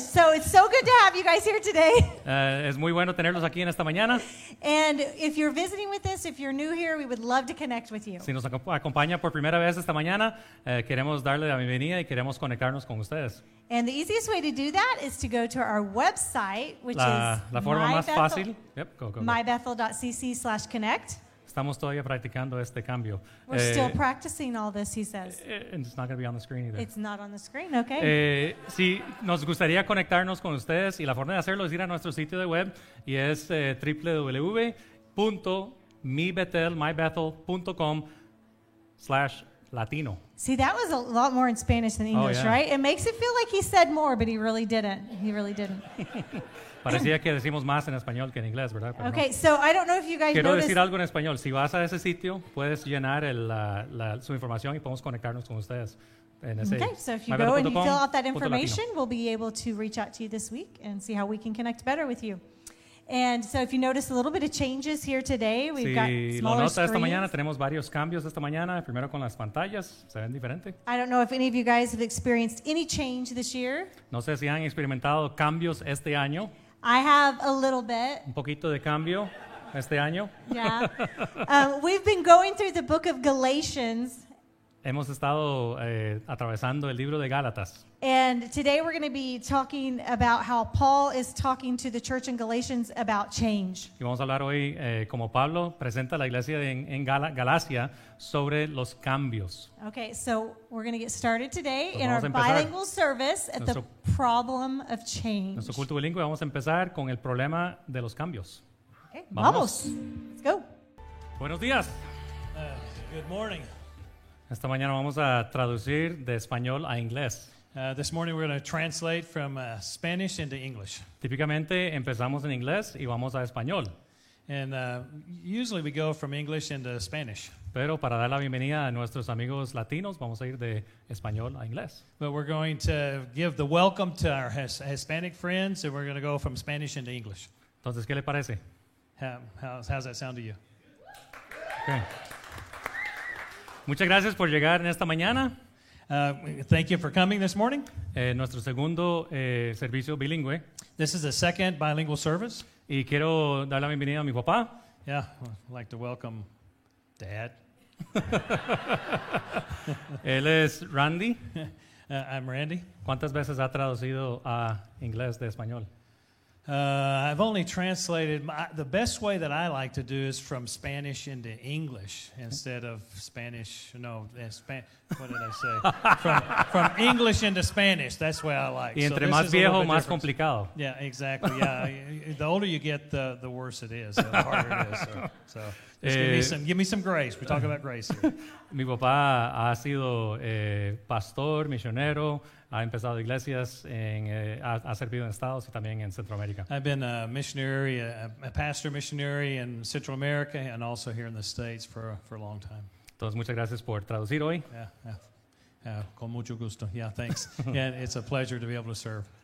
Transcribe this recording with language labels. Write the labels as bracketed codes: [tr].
[en] So it's so good to have you guys here today. [es] Es muy bueno tenerlos aquí en esta mañana. [en] And if you're visiting with us, if you're new here, we would love to connect with you. [es] Si nos acompaña por primera vez esta mañana, queremos darle la bienvenida y queremos conectarnos con ustedes. [en] And the easiest way to do that is to go to our website, which [es] la forma más fácil. [en] Yep, go. mybethel.cc/connect. [es] Estamos todavía practicando este cambio. [en] We're still practicing all this, he says. And it's not going to be on the screen either. It's not on the screen, okay. [es] Si nos gustaría conectarnos con ustedes, y la forma de hacerlo es ir a nuestro sitio de web, y es mybethel.com/latino. [en] See, that was a lot more in Spanish than English, right? It makes it feel like he said more, but he really didn't. [es] Parecía que decimos más en español que en inglés, ¿verdad? Pero okay, no. [en] So I don't know if you guys [es] quiero [en] noticed. [es] Decir algo en español. Si vas a ese sitio, puedes llenar su información y podemos conectarnos con ustedes. [en] Okay, so if you go and you fill out that information, we'll be able to reach out to you this week and see how we can connect better with you. And so if you notice a little bit of changes here today, we've got smaller screens. [es] Sí, lo noto esta mañana, tenemos varios cambios esta mañana. Primero con las pantallas, se ven diferente. [en] I don't know if any of you guys have experienced any change this year. [es] No sé si han experimentado cambios este año. [en] I have a little bit. [es] Un poquito de cambio este año. [en] Yeah. We've been going through the book of Galatians. [es] Hemos estado atravesando el libro de Gálatas. [en] And today we're going to be talking about how Paul is talking to the church in Galatians about change. [es] Y vamos a hablar hoy como Pablo presenta a la iglesia en Galacia sobre los cambios. [en] Okay, so we're going to get started today in our bilingual service at the problem of change. [es] Nuestro culto bilingüe, vamos a empezar con el problema de los cambios. [en] Okay, vamos. Let's go. [es] Buenos días. [en] Good morning. [es] Esta mañana vamos a traducir de español a inglés. [en] This morning we're going to translate from Spanish into English. [es] Típicamente empezamos en inglés y vamos a español. [en] And usually we go from English into Spanish. [es] Pero para dar la bienvenida a nuestros amigos latinos, vamos a ir de español a inglés. [en] But we're going to give the welcome to our Hispanic friends, and we're going to go from Spanish into English. [es] Entonces, ¿qué le parece? [en] How's that sound to you? [es] Okay. Muchas gracias por llegar en esta mañana. [en] Thank you for coming this morning. [es] Nuestro segundo servicio bilingüe. [en] This is the second bilingual service. [es] Y quiero dar la bienvenida a mi papá. [en] Yeah, I'd like to welcome Dad. [es] Él es Randy. [en] I'm Randy. [es] ¿Cuántas veces ha traducido a inglés de español? [en] I've only translated, the best way that I like to do is from Spanish into English instead of Spanish, no, what did I say? from English into Spanish, that's what I like. [es] Y entre so más viejo, más complicado. [en] Yeah, exactly, yeah. The older you get, the worse it is, the harder it is. So just give me some grace. We're talking about grace here. [es] Mi papá ha sido pastor, misionero. Ha empezado iglesias ha servido en Estados y también en Centroamérica. [en] I've been a missionary, a pastor missionary in Central America and also here in the States for a long time. [es] Entonces, muchas gracias por traducir hoy. Yeah, con mucho gusto. Yeah, thanks. [en] Yeah, it's a pleasure to be able to serve.